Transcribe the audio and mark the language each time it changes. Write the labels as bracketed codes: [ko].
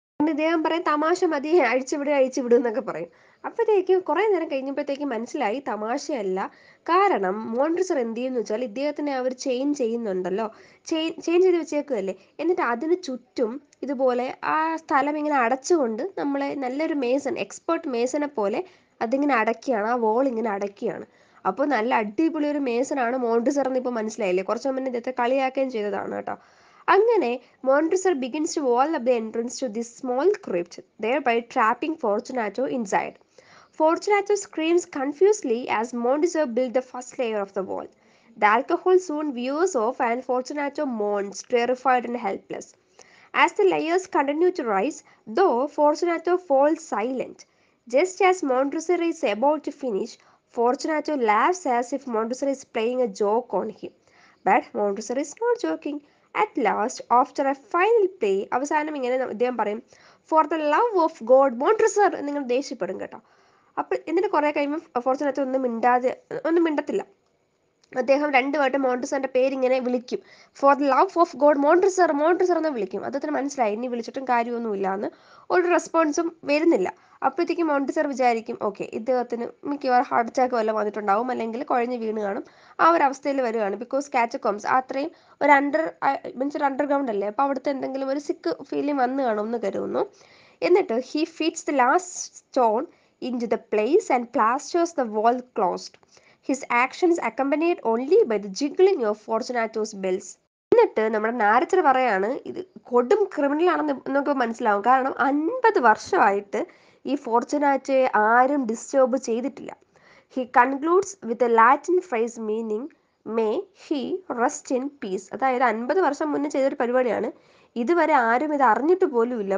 [ml] പിന്നെ ഇദ്ദേഹം പറയും തമാശ മതി, അഴിച്ചുവിടുക അഴിച്ചുവിടുക എന്നൊക്കെ പറയും. അപ്പോഴത്തേക്കും കുറെ നേരം കഴിഞ്ഞപ്പോഴത്തേക്കും മനസ്സിലായി തമാശയല്ല, കാരണം മോണ്ട്രിസർ എന്ത് ചെയ്യുന്നു വെച്ചാൽ ഇദ്ദേഹത്തിനെ അവർ ചെയിൻ ചെയ്യുന്നുണ്ടല്ലോ, ചെയിൻ ചെയ്ത് വെച്ചേക്കുകയല്ലേ, എന്നിട്ട് അതിന് ചുറ്റും ഇതുപോലെ ആ സ്ഥലം ഇങ്ങനെ അടച്ചുകൊണ്ട് നമ്മളെ നല്ലൊരു മേസൺ എക്സ്പേർട്ട് മേസനെ പോലെ അതിങ്ങനെ അടക്കിയാണ്, ആ വോൾ ഇങ്ങനെ അടക്കിയാണ്. അപ്പോൾ നല്ല അടിപൊളി ഒരു മേസനാണ് മോണ്ട്രിസർ എന്ന് ഇപ്പോൾ മനസ്സിലായില്ലേ, കുറച്ച് മുന്നേ ഇദ്ദേഹത്തെ കളിയാക്കുകയും ചെയ്തതാണ് കേട്ടോ. [en] അങ്ങനെ Montresor begins to wall of the entrance to this small crypt thereby trapping Fortunato inside. Fortunato screams confusedly as Mondizo builds the first layer of the wall. The alcohol soon wears off and Fortunato moans, terrified and helpless. As the layers continue to rise, though, Fortunato falls silent. Just as Mondizo is about to finish, Fortunato laughs as if Mondizo is playing a joke on him. But Mondizo is not joking. At last after a final plea [ml] അവസാനം ഇങ്ങനെ അദ്ദേഹം പറയും [en] for the love of God Montresor [ml] എന്ന് നിങ്ങൾ ദേഷ്യപ്പെടും കേട്ടോ. അപ്പം എന്നിട്ട് കുറേ കഴിയുമ്പോൾ ഫോർച്ചുനേറ്റ് ഒന്നും മിണ്ടത്തില്ല. അദ്ദേഹം രണ്ടുപേരുടെ മോണ്ടിസറിന്റെ പേരിങ്ങനെ വിളിക്കും, [en] for the love of God [ml] മോണ്ടിസർ മോണ്ടിസർ എന്ന് വിളിക്കും. അദ്ദേഹത്തിന് മനസ്സിലായി ഇനി വിളിച്ചിട്ടും കാര്യമൊന്നുമില്ല എന്ന്, ഒരു റെസ്പോൺസും വരുന്നില്ല. അപ്പോഴത്തേക്കും മോണ്ടിസർ വിചാരിക്കും ഓക്കെ ഇദ്ദേഹത്തിന് മിക്കവാറും ഹാർട്ട് അറ്റാക്ക് വല്ലതും വന്നിട്ടുണ്ടാവും, അല്ലെങ്കിൽ കുഴഞ്ഞു വീണ് കാണും, ആ ഒരവസ്ഥയിൽ വരികയാണ്. ബിക്കോസ് കാറ്റക്കോംബ്സ് അത്രയും ഒരു അണ്ടർ മീൻസ് ഒരു അണ്ടർഗ്രൗണ്ട് അല്ലേ, അപ്പോൾ അവിടുത്തെ എന്തെങ്കിലും ഒരു സിക്ക് ഫീലിംഗ് വന്നു കാണും എന്ന് കരുതുന്നു. [en] എന്നിട്ട് he fits the last stone into the place and plasters the wall closed. His actions accompanied only by the jiggling of Fortunato's bells. [ml] എന്നിട്ട് നമ്മുടെ നാരച്ചർ പറയാണ് ഇത് കൊടും ക്രിമിനൽ ആണെന്ന് എന്നൊക്കെ മനസ്സിലാവും. കാരണം 50 വർഷമായിട്ട് ഈ ഫോർച്ചുനാറ്റോയെ ആരും ഡിസ്റ്റർബ് ചെയ്തിട്ടില്ല. [en] He concludes with a Latin phrase meaning may he rest in peace. [ml] അതായത് 50 വർഷം മുന്നേ ചെയ്തൊരു പരിപാടിയാണ്, ഇതുവരെ ആരും ഇത് അറിഞ്ഞിട്ട് പോലും ഇല്ല.